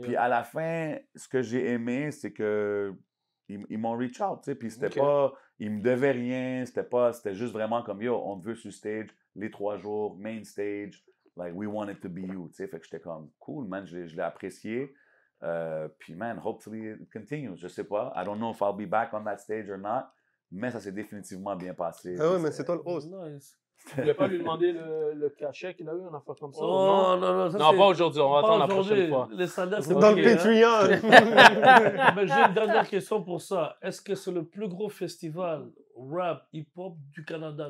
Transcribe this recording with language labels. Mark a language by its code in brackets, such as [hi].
[fr] Puis à la fin, ce que j'ai aimé, c'est qu'ils m'ont reach out, tu sais. Puis c'était pas, ils me devaient rien. C'était juste vraiment comme, yo, on te veut sur stage les 3 jours, main stage. [en] Like, we want it to be you, [fr] tu sais. Fait que j'étais comme, cool, man, je l'ai apprécié. [en] Puis, man, hopefully it continues. [fr] Je sais pas. [en] I don't know if I'll be back on that stage or not. [fr] Mais ça s'est définitivement bien passé. Ah oui, mais c'est toi le host. [en] Nice. [fr] Tu l'as pas lui demandé le cachet qu'il a eu en affaire comme ça? Oh, non. Ça, non, c'est... pas aujourd'hui. On va attendre la prochaine fois. Les standards, c'est dans okay, le Patreon. Hein? Mais j'ai une dernière question pour ça. Est-ce que c'est le plus gros festival rap, hip-hop du Canada?